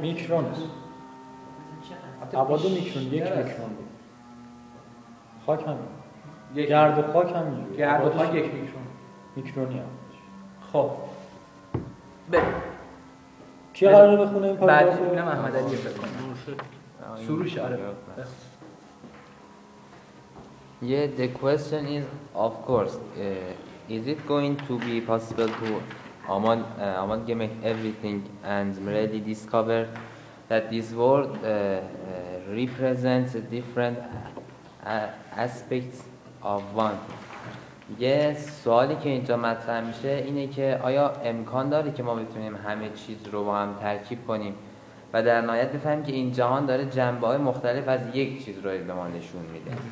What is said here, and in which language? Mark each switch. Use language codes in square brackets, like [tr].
[fa] میکرون است عباد و میکرون یک میکرون بود خاک همین گرد و خاک همین گرد و خاک یک میکرون میکرونی هم خب به کی قراره بخونه این پاراگراف رو؟ بعدی احمد علی فکر کنم سروش آره [en] Yeah, the question is, of course, is it going to be possible to amalgamate everything and really discover that this world represents different aspects of one? [fa] Yes, سوالی که اینجا مطرح میشه اینه که آیا امکان داره که ما بتونیم همه چیز رو با هم ترکیب کنیم و در نهایت بفهمیم که این جهان داره جنبه‌های مختلف از یک چیز رو به ما نشون میده؟